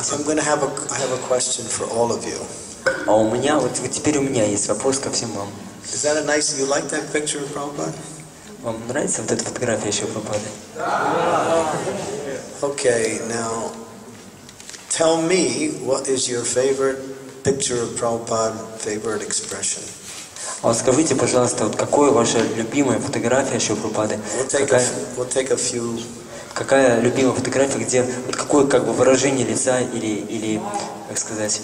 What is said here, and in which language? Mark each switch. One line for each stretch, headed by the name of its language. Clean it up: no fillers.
English: I'm going to have a question for all of you.
Russian: А у меня вот теперь у меня есть вопрос ко всем вам.
English: Is that a nice? You like that picture of Prabhupada?
Russian: Вам нравится вот эта фотография еще Прабхупады?
English: Okay, now tell me what is your favorite picture of Prabhupada, favorite expression.
Russian: Скажите, пожалуйста, вот какое ваша любимая фотография еще Прабхупады?
English: We'll take a few.
Russian: Какая любимая фотография, где вот какое как бы выражение лица или как сказать?